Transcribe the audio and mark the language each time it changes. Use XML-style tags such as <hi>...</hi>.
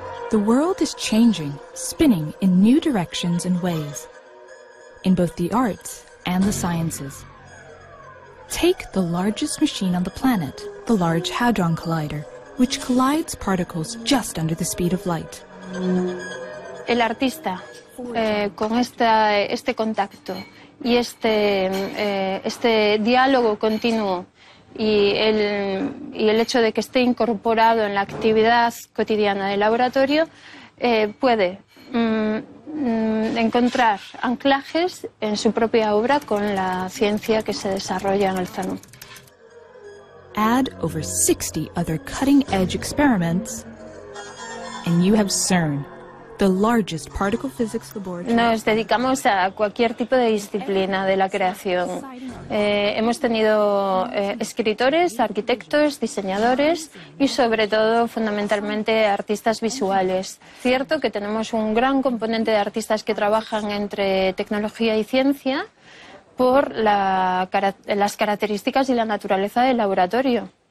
<en>The world is changing, spinning in new directions and ways, in both the arts and the sciences. Take the largest machine on the planet, the Large Hadron Collider, which collides particles just under the speed of light.</en> <es>El artista, con este contacto y este diálogo continuo y el hecho de que esté incorporado en la actividad cotidiana del laboratorio, puede encontrar anclajes en su propia obra con la ciencia que se desarrolla en el CERN.</es> <en>Add over 60 other cutting-edge experiments and you have CERN, the largest particle physics laboratory.</en> <es>Nos dedicamos a cualquier tipo de disciplina de la creación. Hemos tenido escritores, arquitectos, diseñadores y sobre todo, fundamentalmente, artistas visuales. Cierto que tenemos un gran componente de artistas que trabajan entre tecnología y ciencia, por las características y la naturaleza del laboratorio.</es>